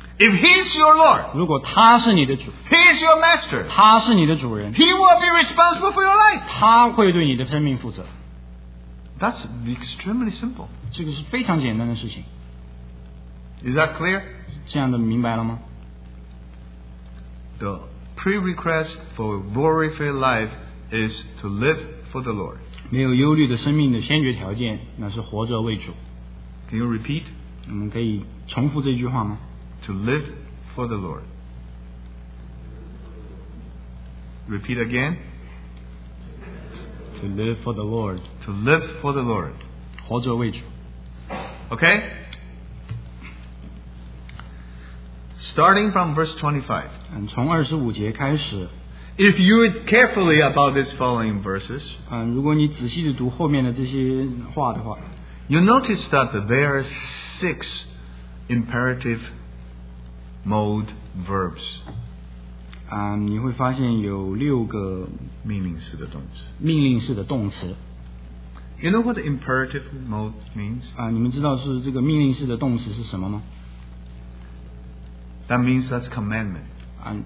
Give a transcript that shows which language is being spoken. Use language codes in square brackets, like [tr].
[en] If he's your lord. [zh] 如果他是你的主。 [en] He's your master. [zh] 他是你的主人。 [en] He will be responsible for your life. [zh] 他会对你的生命负责。 [en] That's extremely simple. [zh] 这个是非常简单的事情。 [en] Is that clear? [zh] 这样的明白了吗？ [en] The prerequisite for a worry-free life is to live for the Lord. [zh] 没有忧虑的生命的先决条件，那是活着为主。 [en] Can you repeat? [zh] 我们可以重复这句话吗？ [en] To live for the Lord. Repeat again. To live for the Lord. To live for the Lord. [zh] 活着为主。 [en] Okay? Starting from verse 25. [zh] 从二十五节开始。 [en] If you read carefully about these following verses. [zh] 如果你仔细地读后面的这些话的话。 [en] You notice that there are six imperative mode verbs. [zh] 你会发现有六个命令式的动词。 [en] You know what the imperative mode means? [zh] 你们知道是这个命令式的动词是什么吗？ [en] That means that's commandment.